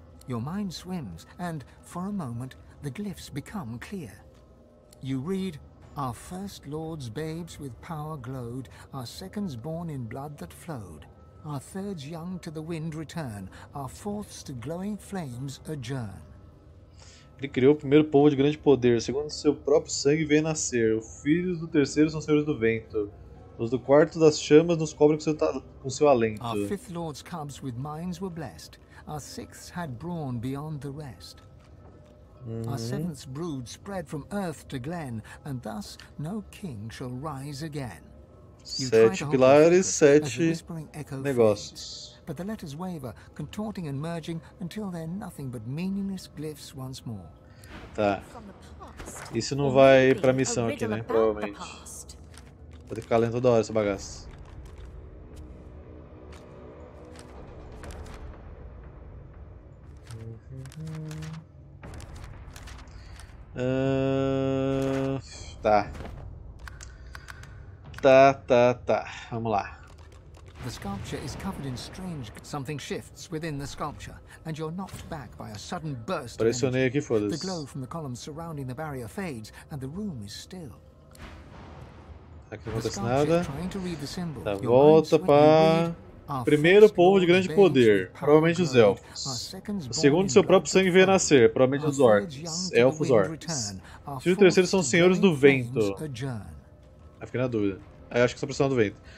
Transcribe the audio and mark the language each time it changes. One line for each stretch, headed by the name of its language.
English: Your mind swims, and for a moment, the glyphs become clear. You read, "Our first lords, babes with power glowed, our seconds born in blood that flowed. Our thirds young to the wind return, our fourths to glowing flames adjourn."
Portuguese: Ele criou o primeiro povo de grande poder, segundo seu próprio sangue vem nascer. Os filhos do terceiro são senhores do vento. Os do quarto das chamas nos cobrem com seu alento.
English: Our fifth lord's cubs with minds were blessed. Our sixth had brawn beyond the rest. Our seventh's brood spread from earth to glen, and thus no king shall rise again.
Portuguese: Sete pilares, sete negócios.
English: But the letters waver, contorting and merging until they're nothing but meaningless glyphs once more.
Portuguese: Tá. Isso não vai pra missão aqui, né? Provavelmente. Vou ter que ficar lendo toda hora essa bagaça. Uhum. Tá. Vamos lá.
English: The sculpture is covered in strange. Something shifts within the sculpture, and you're knocked back by a sudden burst.
Portuguese: Pressionei aqui, foda-se.
English: The glow from the columns surrounding the barrier fades, and the room is still.
Portuguese: Aqui não acontece nada. Dá volta para primeiro povo de grande poder, provavelmente os elfos. O segundo, seu próprio sangue vem a nascer, provavelmente os orcs, elfos orcs. E o terceiro são os senhores do vento. Aí fiquei na dúvida. Aí acho que são pessoas do vento.